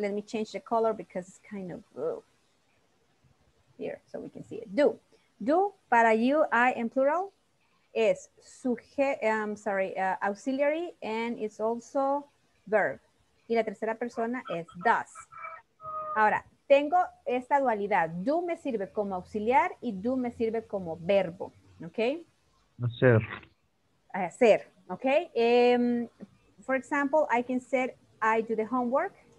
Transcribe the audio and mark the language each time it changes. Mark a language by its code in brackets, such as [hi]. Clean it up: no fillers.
[en] Let me change the color because it's kind of blue. Here, so we can see it. Do. Do para you, I, and plural is auxiliary, and it's also verb. [es] Y la tercera persona es does. Ahora, tengo esta dualidad. Do me sirve como auxiliar y do me sirve como verbo. ¿Ok? Hacer. Hacer. ¿Ok? [en] For example, I can say I do the homework.